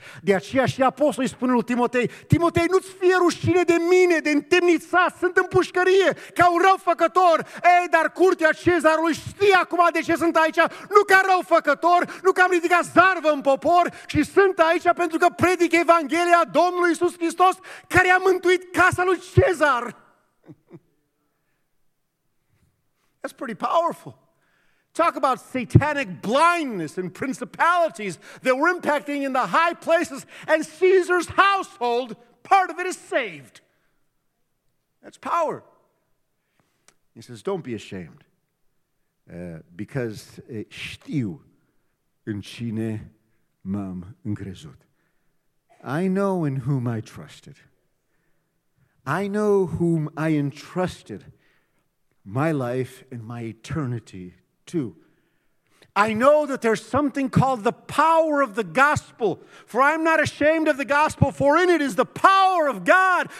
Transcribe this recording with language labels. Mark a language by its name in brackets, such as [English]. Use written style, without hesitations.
[Romanian] De aceea și apostolul îi spune lui Timotei: Timotei, nu-ți fie rușine de mine, de întemnița, sunt în pușcărie ca un răufăcător. Ei, dar curtea cezarului știe acum de ce sunt aici, nu ca răufăcător, nu că am ridicat zarvă în popor, ci sunt aici pentru că predic Evanghelia Domnului Iisus Hristos, care a mântuit casa lui Cezar. [English] That's pretty powerful. Talk about satanic blindness and principalities that were impacting in the high places and Caesar's household, part of it is saved. That's power. He says, don't be ashamed, because [Romanian] știu în cine m-am încrezut. [English] I know in whom I trusted. I know whom I entrusted my life and my eternity to. I know that there's something called the power of the gospel. For I'm not ashamed of the gospel, for in it is the power of God.